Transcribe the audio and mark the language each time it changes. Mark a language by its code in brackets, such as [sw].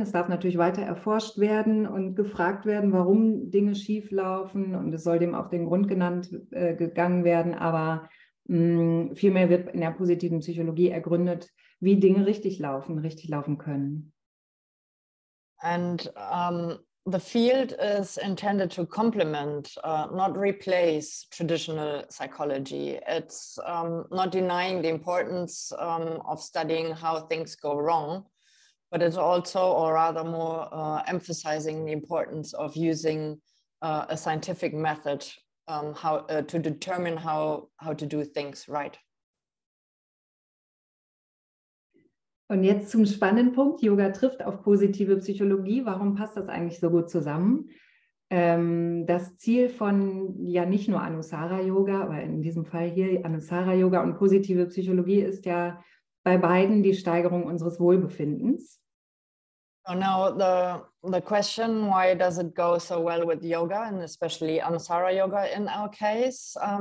[de] Es darf natürlich weiter erforscht werden und gefragt werden, warum Dinge schief laufen, und es soll dem auf den Grund gegangen werden, aber vielmehr wird in der positiven Psychologie ergründet, wie Dinge richtig laufen können. [en] And the field is intended to complement, not replace traditional psychology. It's not denying the importance of studying how things go wrong, but it's also, or rather more, emphasizing the importance of using a scientific method to determine how to do things right. [de] Und jetzt zum spannenden Punkt, Yoga trifft auf positive Psychologie. Warum passt das eigentlich so gut zusammen? Das Ziel von ja nicht nur Anusara-Yoga, aber in diesem Fall hier Anusara-Yoga und positive Psychologie ist ja bei beiden die Steigerung unseres Wohlbefindens. [en] Oh, now the question, why does it go so well with yoga and especially Anusara-Yoga in our case?